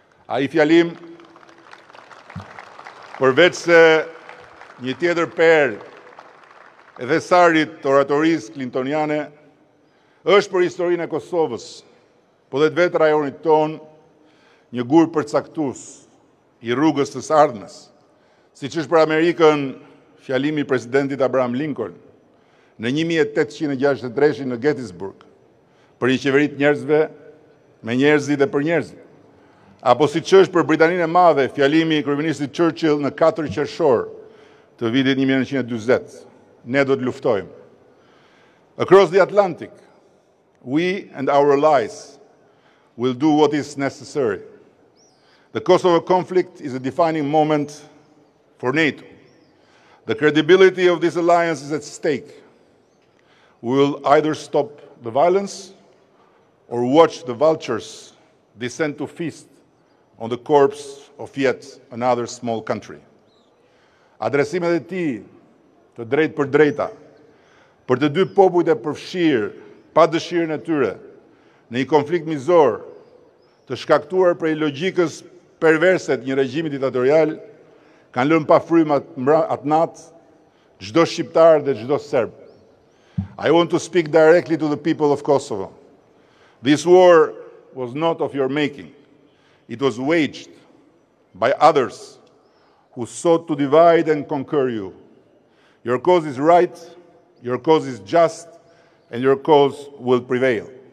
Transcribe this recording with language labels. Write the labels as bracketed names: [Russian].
[Albanian] Ai fjalim përveç se një tjetër perë e thesarit të oratorisë clintoniane është për historinë e Kosovës, po dhe të vetë rajonit tonë, një gur përcaktues i rrugës së ardhmes, siç është për Amerikën fjalimi i presidentit Abraham Lincoln në 1863 në Gettysburg për një qeveri të njerëzve, me njerëzit dhe për njerëzit. Apo siç është për Britaninë e Madhe fjalimi i kryeministit Churchill në 4 qershor të vitit 1940, ne do të luftojmë. [English] Across the Atlantic, we and our allies will do what is necessary. The Kosovo conflict is a defining moment for NATO. The credibility of this alliance is at stake. We will either stop the violence or watch the vultures descend to feast on the corpse of yet another small country. [Albanian] Adresimet e tij të drejtë për drejta për të dy popujt e përfshirë pa dëshirën e tyre në një konflikt mizor të shkaktuar prej logjikës perverse të një regjimi diktatorial kanë lënë pa frymë atë natë çdo shqiptar dhe çdo serb. [English] I want to speak directly to the people of Kosovo. This war was not of your making. It was waged by others who sought to divide and conquer you. Your cause is right, your cause is just, and your cause will prevail.